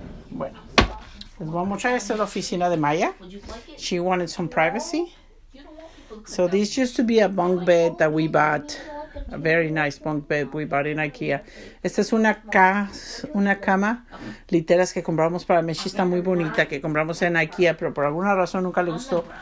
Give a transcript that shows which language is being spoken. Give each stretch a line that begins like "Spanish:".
Spanish: Bueno, les voy a mostrar esta la oficina de Maya.
English: She wanted some privacy. So this used to be a bunk bed that we bought. A very nice bunk bed we bought in IKEA.
Spanish: Esta es una cama, literas que compramos para Meshi. Está muy bonita, que compramos en IKEA, pero por alguna razón nunca le gustó.